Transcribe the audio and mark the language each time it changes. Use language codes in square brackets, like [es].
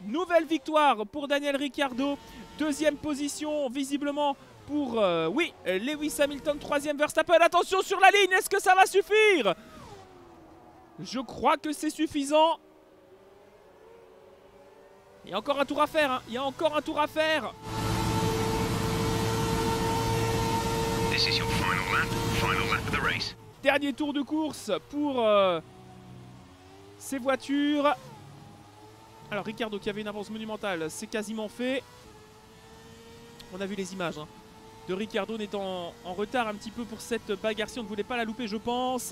[fr] Nouvelle victoire pour Daniel Ricciardo. Deuxième position visiblement pour Lewis Hamilton. Troisième Verstappen. Attention sur la ligne, est-ce que ça va suffire? Je crois que c'est suffisant. Il y a encore un tour à faire, hein. Il y a encore un tour à faire. [en] This is your final lap of the race. [fr] Dernier tour de course pour ces voitures. Alors Ricciardo qui avait une avance monumentale, c'est quasiment fait. On a vu les images, hein, de Ricciardo n'étant en retard un petit peu pour cette bagarre. Si on ne voulait pas la louper, je pense.